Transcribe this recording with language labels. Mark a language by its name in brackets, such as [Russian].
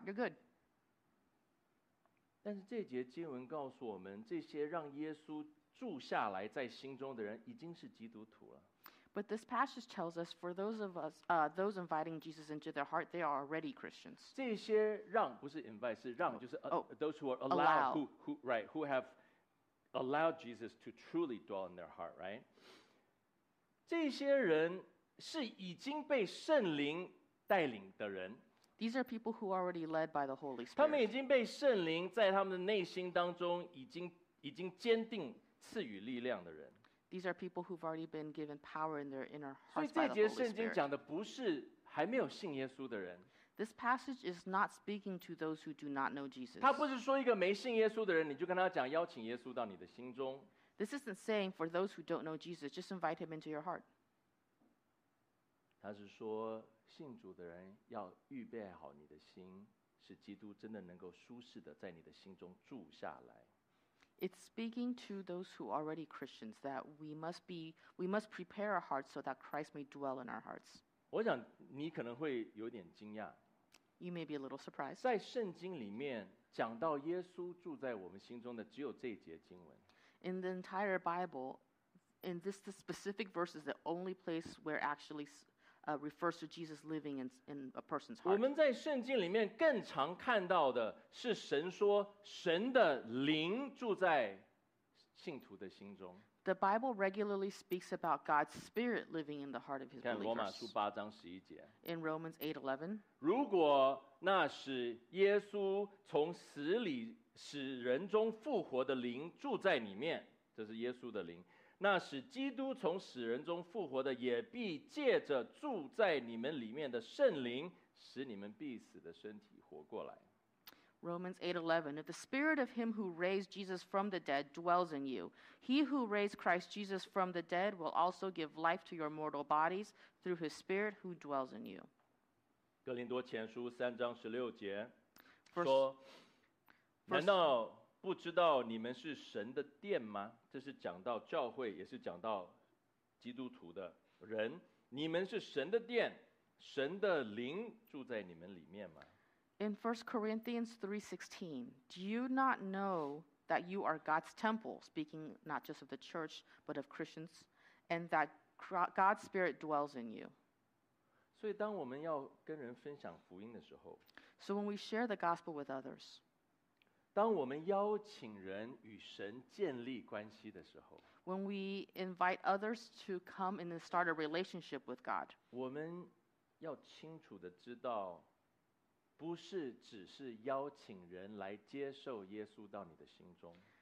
[English] You're good. [Chinese] 但是这节经文告诉我们，这些让耶稣住下来在心中的人，已经是基督徒了。 [English] But this passage tells us, for those of us, those inviting Jesus into their heart, they are already Christians. [Chinese] 这些让不是 [English] invite, [Chinese] 是让就是 [English] those who are allowed, who have allowed Jesus to truly dwell in their heart, right? [Chinese] 这些人是已经被圣灵带领的人。 [English] These are people who are already led by the Holy Spirit. [Chinese] 他们已经被圣灵在他们的内心当中已经坚定赐予力量的人。 [English] These are people who've already been given power in their inner hearts by the Holy Spirit. [Chinese] 所以这节圣经讲的不是还没有信耶稣的人。 [English] This passage is not speaking to those who do not know Jesus. [Chinese] 他不是说一个没信耶稣的人，你就跟他讲邀请耶稣到你的心中。 [English] This isn't saying for those who don't know Jesus, just invite him into your heart. [Chinese] 他是说信主的人要预备好你的心，使基督真的能够舒适的在你的心中住下来。 [English] It's speaking to those who are already Christians that we must prepare our hearts so that Christ may dwell in our hearts. [Chinese] 我想你可能会有点惊讶。 [English] You may be a little surprised. [Chinese] 在圣经里面讲到耶稣住在我们心中的只有这一节经文。 [English] In the entire Bible, in this the specific verse is the only place where actually refers to Jesus living in a person's heart. [Chinese] 我们在圣经里面更常看到的是神说神的灵住在信徒的心中。 [English] The Bible regularly speaks about God's spirit living in the heart of his believers. [Chinese] 看罗马书八章十一节。 [English] In Romans 8:11. [Chinese] 如果那使耶稣从死里使人中复活的灵住在里面，这是耶稣的灵。那使基督从死人中复活的，也必借着住在你们里面的圣灵，使你们必死的身体活过来。 [English] Romans 8:11. If the Spirit of Him who raised Jesus from the dead dwells in you, He who raised Christ Jesus from the dead will also give life to your mortal bodies through His Spirit who dwells in you. [Chinese] 哥林多前书三章十六节说：“难道不知道你们是神的殿吗？” 这是讲到教会，也是讲到基督徒的人。你们是神的殿，神的灵住在你们里面吗？ [English] In 1 Corinthians 3:16, do you not know that you are God's temple, speaking not just of the church, but of Christians, and that God's Spirit dwells in you? [Chinese] 所以当我们要跟人分享福音的时候, [English] So when we share the gospel with others, [Chinese] 当我们邀请人与神建立关系的时候, [English] When we invite others to come and start a relationship with God, [Chinese] 我们要清楚地知道不是只是邀请人来接受耶稣到你的心中。